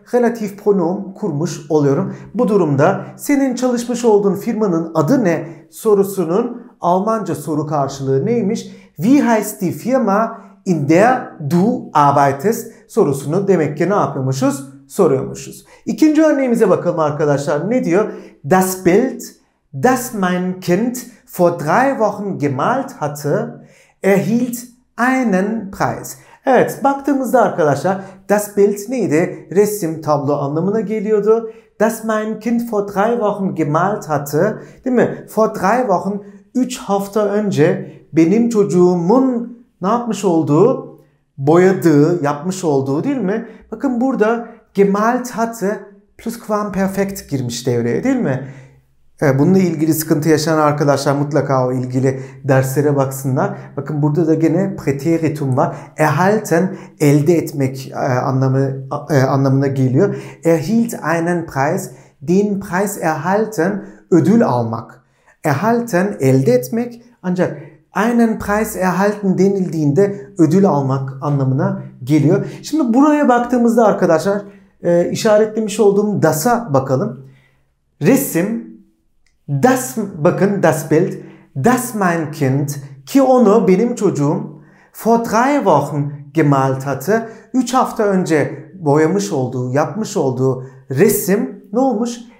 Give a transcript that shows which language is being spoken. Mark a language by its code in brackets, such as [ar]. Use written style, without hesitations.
[tr] Relatif pronom kurmuş oluyorum. Bu durumda senin çalışmış olduğun firmanın adı ne sorusunun Almanca soru karşılığı neymiş? [de] Wie heißt die Firma, in der du arbeitest [tr] sorusunu demek ki ne yapıyormuşuz? Soruyormuşuz. İkinci örneğimize bakalım arkadaşlar. Ne diyor? [de] Das Bild, das mein Kind vor drei Wochen gemalt hatte, erhielt einen Preis. [tr] Evet, baktığımızda arkadaşlar, [de] das Bild [tr] neydi? Resim, tablo anlamına geliyordu. [de] Das mein Kind vor drei Wochen gemalt hatte, [tr] değil mi? [de] Vor drei Wochen, [tr] 3 hafta önce benim çocuğumun ne yapmış olduğu, boyadığı, yapmış olduğu, değil mi? Bakın burada [de] gemalt hatte [tr] plusquamperfekt girmiş devreye, değil mi? Bununla ilgili sıkıntı yaşayan arkadaşlar mutlaka o ilgili derslere baksınlar. Bakın burada da gene preteritum var. Erhalten, elde etmek anlamına geliyor. [de] Erhielt einen Preis, den Preis erhalten, [tr] ödül almak. Erhalten, elde etmek, ancak [de] einen Preis erhalten [tr] denildiğinde ödül almak anlamına geliyor. Şimdi buraya baktığımızda arkadaşlar işaretlemiş olduğum das'a bakalım. Resim, das, bakın [de] das Bild, das mein Kind, [tr] ki onu benim çocuğum [de] vor drei Wochen gemalt hatte, [tr] 3 hafta önce boyamış olduğu, yapmış olduğu resim ne olmuş?